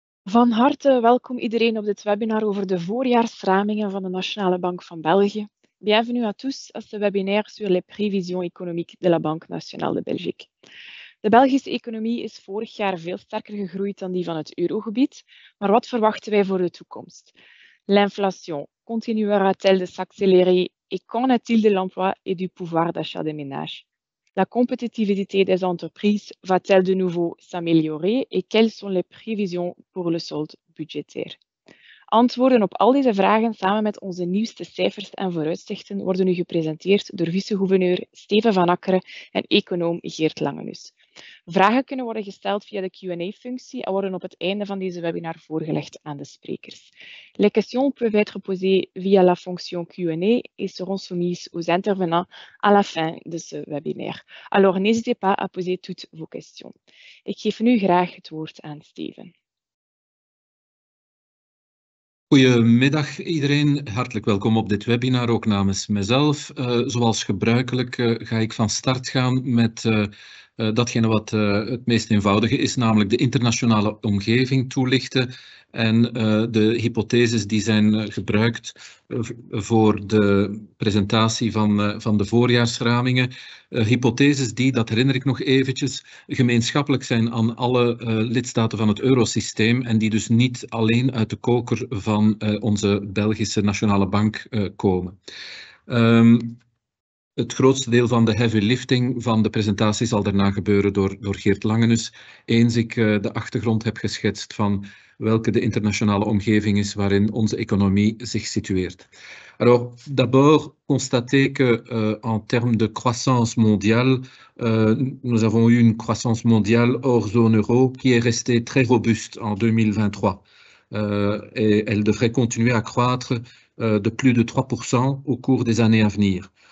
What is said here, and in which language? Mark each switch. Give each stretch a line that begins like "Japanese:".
Dutch: Van harte welkom iedereen op dit webinar over de voorjaarsramingen van de Nationale Bank van België.
French: Bienvenue à tous à ce webinaire sur les prévisions économiques de la Banque Nationale de Belgique.
Dutch: De Belgische economie is vorig jaar veel sterker gegroeid dan die van het eurogebied, maar wat verwachten wij voor de toekomst?
French: L'inflation continuera-t-elle de s'accélérer et qu'en est-il de l'emploi et du pouvoir d'achat des ménages? La compétitivité des entreprises va-t-elle de nouveau s'améliorer et quelles sont les prévisions pour le solde budgétaire?
Dutch: Antwoorden op al deze vragen samen met onze nieuwste cijfers en vooruitzichten worden nu gepresenteerd door vice-gouverneur Steven van Akkeren en econoom Geert Langenus. Vragen kunnen worden gesteld via de Q&A-functie en worden op het einde van deze webinar voorgelegd aan de sprekers.
French: Les questions peuvent être posées via la fonction Q&A et seront soumises aux intervenants à la fin de ce webinaire. Alors n'hésitez pas à poser toutes vos questions.
Dutch: Ik geef nu graag het woord aan Steven. Goedemiddag iedereen, hartelijk welkom op dit webinar, ook namens mezelf. Zoals gebruikelijk ga ik van start gaan met datgene wat het meest eenvoudige is, namelijk de internationale omgeving toelichten en de hypotheses die zijn gebruikt voor de presentatie van de voorjaarsramingen. Hypotheses die, dat herinner ik nog eventjes, gemeenschappelijk zijn aan alle lidstaten van het eurosysteem en die dus niet alleen uit de koker van onze Belgische Nationale Bank komen. Het grootste deel van de heavy lifting van de presentatie zal daarna gebeuren door Geert Langenus. Eens ik de achtergrond heb geschetst van welke de internationale omgeving is waarin onze economie zich situeert.
French: Alors, d'abord constater que en termes de croissance mondiale, nous avons eu une croissance mondiale hors zone euro qui est restée très robuste en 2023. Et elle devrait continuer à croître de plus de 3% au cours des années à venir.